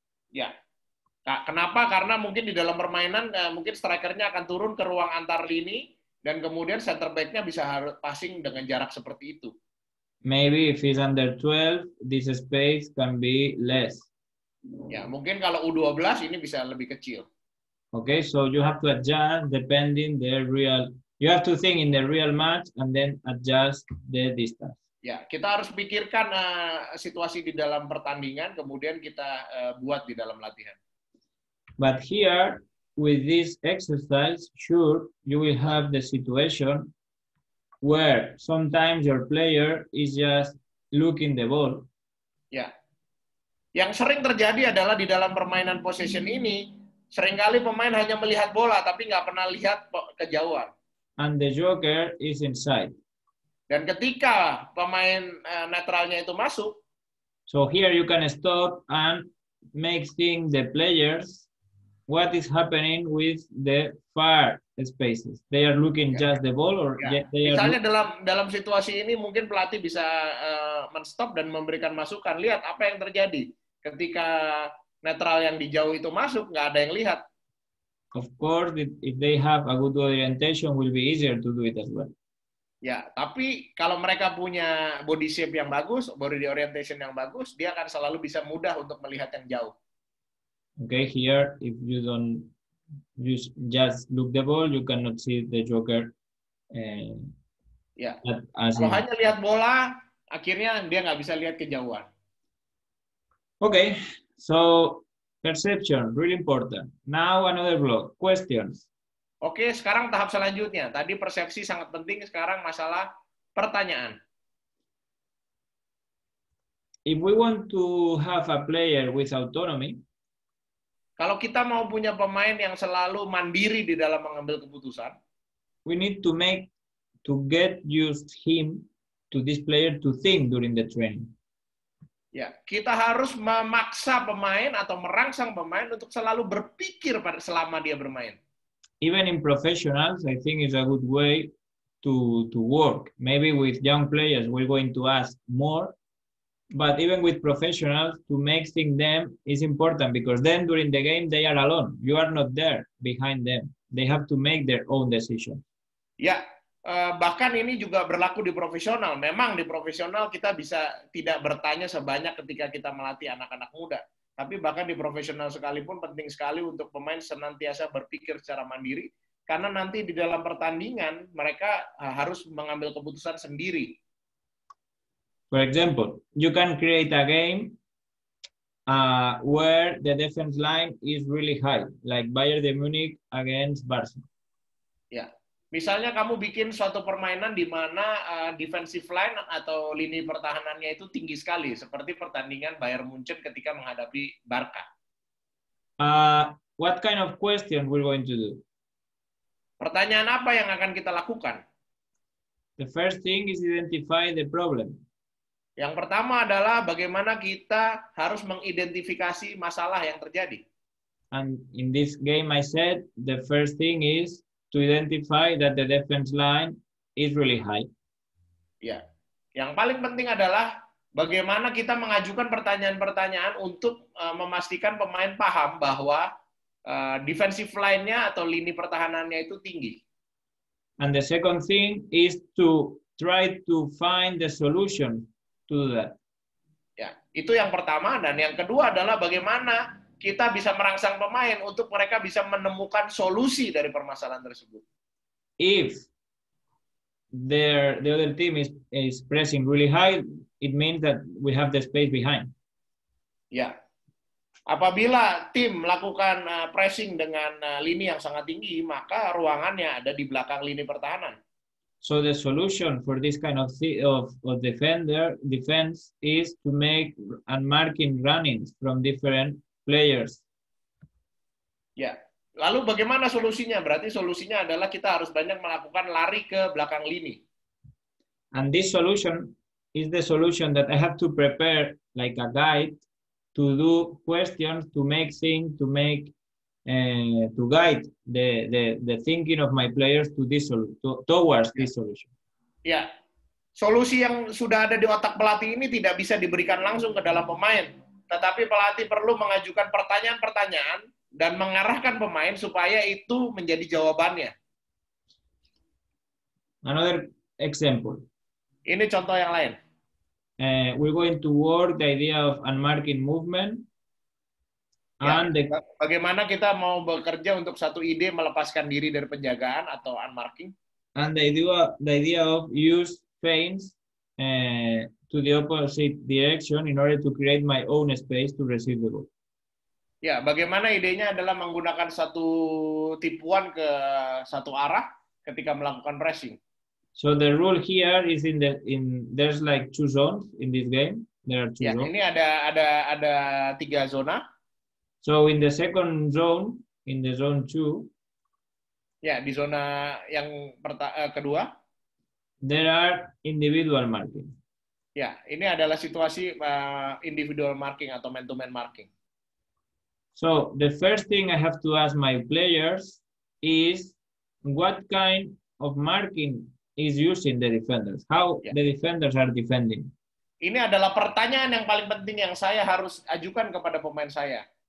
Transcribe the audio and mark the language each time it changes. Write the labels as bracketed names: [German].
[Indonesian] Ya. Nah, kenapa? Karena mungkin di dalam permainan mungkin strikernya akan turun ke ruang antar lini dan kemudian center back-nya bisa passing dengan jarak seperti itu. [English] Maybe if he's under 12, this space can be less. [Indonesian] Ya, mungkin kalau U12 ini bisa lebih kecil. [English] Okay, so you have to adjust depending the real. You have to think in the real match and then adjust the distance. [Indonesian] Ya, kita harus pikirkan situasi di dalam pertandingan, kemudian kita buat di dalam latihan. [English] But here with this exercise, sure you will have the situation where sometimes your player is just looking the ball. [Indonesian] Ya. Yang sering terjadi adalah di dalam permainan possession ini, seringkali pemain hanya melihat bola, tapi nggak pernah lihat kejauhan. [English] And the joker is inside. [Indonesian] Dan ketika pemain netralnya itu masuk, [English] so here you can stop and make think the players what is happening with the far spaces. They are looking yeah. just the ball or yeah. they are [Indonesian] misalnya dalam situasi ini, mungkin pelatih bisa men-stop dan memberikan masukan. Lihat apa yang terjadi. Ketika netral yang di jauh itu masuk, nggak ada yang lihat. [English] Of course, if they have a good orientation, will be easier to do it as well. [Indonesian] Ya, tapi kalau mereka punya body shape yang bagus, body orientation yang bagus, dia akan selalu bisa mudah untuk melihat yang jauh. [English] Okay, here if you don't just look the ball, you cannot see the joker. [Indonesian] Ya, kalau hanya lihat bola, akhirnya dia nggak bisa lihat kejauhan. [English] Okay, so perception, really important. Now another block, questions. [Indonesian] Okay, sekarang tahap selanjutnya. Tadi persepsi sangat penting, sekarang masalah pertanyaan. [English] If we want to have a player with autonomy, [Indonesian] kalau kita mau punya pemain yang selalu mandiri di dalam mengambil keputusan, [English] we need to make, to get used him to this player to think during the training. [Indonesian] Ya, kita harus memaksa pemain atau merangsang pemain untuk selalu berpikir pada selama dia bermain. [English] Even in professionals, I think it's a good way to work. Maybe with young players, we're going to ask more. But even with professionals, to make things them is important because then during the game they are alone. You are not there behind them. They have to make their own decision. [Indonesian] Ya. Bahkan ini juga berlaku di profesional. Memang di profesional kita bisa tidak bertanya sebanyak ketika kita melatih anak-anak muda. Tapi bahkan di profesional sekalipun penting sekali untuk pemain senantiasa berpikir secara mandiri. Karena nanti di dalam pertandingan mereka harus mengambil keputusan sendiri. [English] For example, you can create a game where the defense line is really high. Like Bayern Munich against Barca. [Indonesian] Yeah. Misalnya kamu bikin suatu permainan di mana defensive line atau lini pertahanannya itu tinggi sekali, seperti pertandingan Bayern Munchen ketika menghadapi Barca. [English] What kind of question we're going to do? [Indonesian] Pertanyaan apa yang akan kita lakukan? [English] The first thing is identify the problem. [Indonesian] Yang pertama adalah bagaimana kita harus mengidentifikasi masalah yang terjadi. [English] And in this game I said the first thing is to identify that the defense line is really high. [Indonesian] Ya. Yang paling penting adalah bagaimana kita mengajukan pertanyaan-pertanyaan untuk memastikan pemain paham bahwa defensive line-nya atau lini pertahanannya itu tinggi. [English] And the second thing is to try to find the solution to that. [Indonesian] Ya, itu yang pertama. Dan yang kedua adalah bagaimana kita bisa merangsang pemain untuk mereka bisa menemukan solusi dari permasalahan tersebut. [English] If the other team is pressing really high, it means that we have the space behind. [Indonesian] Ya. Apabila tim melakukan pressing dengan lini yang sangat tinggi, maka ruangannya ada di belakang lini pertahanan. [English] So the solution for this kind of defense is to make unmarking runnings from different players. [Indonesian] Ya. Lalu bagaimana solusinya? Berarti solusinya adalah kita harus banyak melakukan lari ke belakang lini. [English] And this solution is the solution that I have to prepare like a guide to do questions, to make things, to make to guide the thinking of my players to this towards this solution. [Indonesian] Ya, solusi yang sudah ada di otak pelatih ini tidak bisa diberikan langsung ke dalam pemain, tetapi pelatih perlu mengajukan pertanyaan-pertanyaan dan mengarahkan pemain supaya itu menjadi jawabannya. [English] Another example. [Indonesian] Ini contoh yang lain. [English] We're going to work the idea of unmarking movement. And [Indonesian] ya, bagaimana kita mau bekerja untuk satu ide melepaskan diri dari penjagaan atau unmarking? [English] And the idea of use feints to the opposite direction in order to create my own space to receive the ball. [Indonesian] Ya, bagaimana idenya adalah menggunakan satu tipuan ke satu arah ketika melakukan pressing. [English] So the rule here is there's like two zones in this game. There are two [Indonesian] ya, [English] zones. [Indonesian] Ini ada tiga zona. [English] So in the second zone, in the zone two. [Indonesian] Ya, di zona yang kedua. [English] There are individual marking. [Indonesian] Ya, ini adalah situasi individual marking atau man-to-man marking. [English] So the first thing I have to ask my players is what kind of marking is using the defenders. How ya. The defenders are defending. [Indonesian] Ini adalah pertanyaan yang paling penting yang saya harus ajukan kepada pemain saya.